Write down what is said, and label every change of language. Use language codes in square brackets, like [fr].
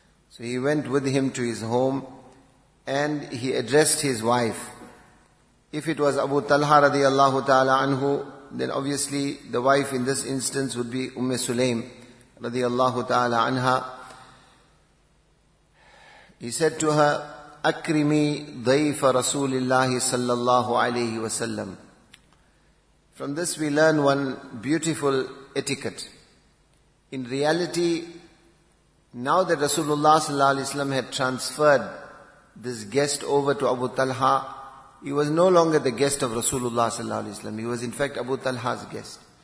[en] So he went with him to his home and he addressed his wife. If it was Abu Talha radiallahu ta'ala anhu, then obviously the wife in this instance would be Umm Sulaym radiallahu ta'ala anha. He said to her, [ar] أكرمي ضيف رسول الله صلى الله عليه وسلم. [en] From this we learn one beautiful etiquette. In reality, now that Rasulullah sallallahu alaihi wasallam had transferred this guest over to Abu Talha, he was no longer the guest of Rasulullah sallallahu alaihi wasallam. He was in fact Abu Talha's guest.